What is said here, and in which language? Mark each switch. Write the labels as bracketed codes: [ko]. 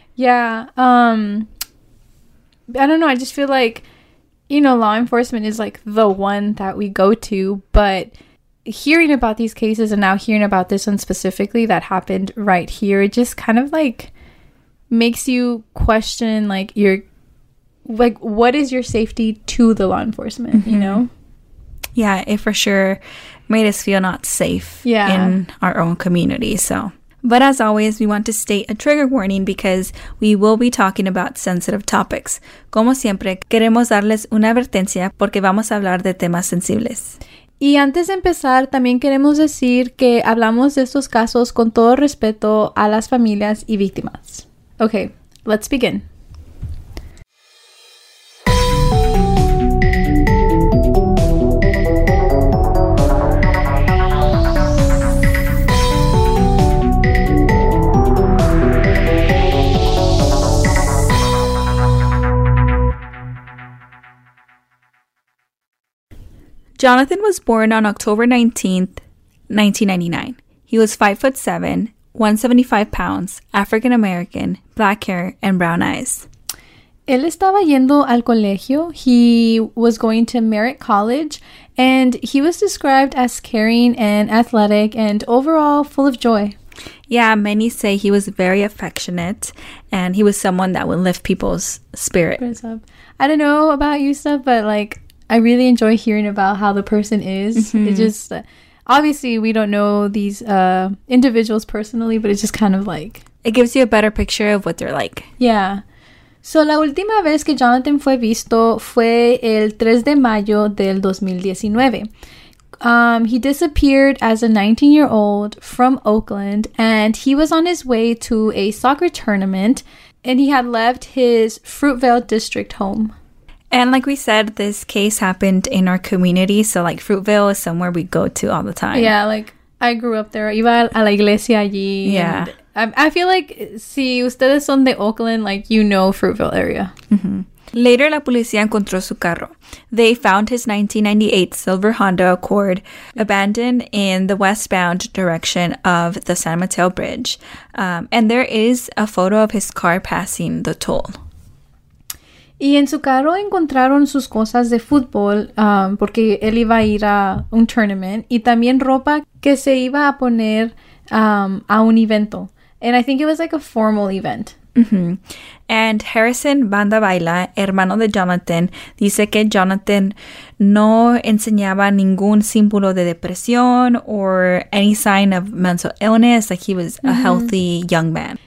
[en] Yeah, I don't know, I just feel like, you know, law enforcement is like the one that we go to, but hearing about these cases and now hearing about this one specifically that happened right here, it just kind of like makes you question like your, like, what is your safety to the law enforcement, mm-hmm. You know? Yeah, it for sure made us feel not safe in our own community, so. But as always, we want to state a trigger warning because we will be talking about sensitive topics. [es] Como siempre, queremos darles una advertencia porque vamos a hablar de temas sensibles. Y antes de empezar, también queremos decir que hablamos de estos casos con todo respeto a las familias y víctimas. [en] Okay, let's begin. Jonathan was born on October 19th, 1999. He was 5'7", 175 pounds, African American, black hair, and brown eyes. [es] Él estaba yendo al colegio. [en] He was going to Merritt College, and he was described as caring and athletic and overall full of joy. Yeah, many say he was very affectionate, and he was someone that would lift people's spirit. I don't know about you, Steph, but like, I really enjoy hearing about how the person is. Mm-hmm. It just, obviously, we don't know these individuals personally, but it's just kind of like, it gives you a better picture of what they're like. Yeah. [es] So, la última vez que Jonathan fue visto fue el 3 de mayo del 2019. [en] He disappeared as a 19-year-old from Oakland, and he was on his way to a soccer tournament, and he had left his Fruitvale District home. And like we said, this case happened in our community. So like Fruitvale is somewhere we go to all the time. Yeah, like I grew up there. [es] Iba a la iglesia allí. [en] Yeah. I feel like [es] si ustedes son de Oakland, [en] like you know Fruitvale area. Mm-hmm. Later, [es] la policía encontró su carro. [en] They found his 1998 silver Honda Accord abandoned in the westbound direction of the San Mateo Bridge. And there is a photo of his car passing the toll. [es] Y en su carro encontraron sus cosas de fútbol, porque él iba a ir a un tournament, y también ropa que se iba a poner a un evento. [en] And I think it was like a formal event. [es] Mm-hmm. And Harrison Banda Baila, hermano de Jonathan, dice que Jonathan no enseñaba ningún símbolo de depresión [en] or any sign of mental illness, like he was a mm-hmm. healthy young man.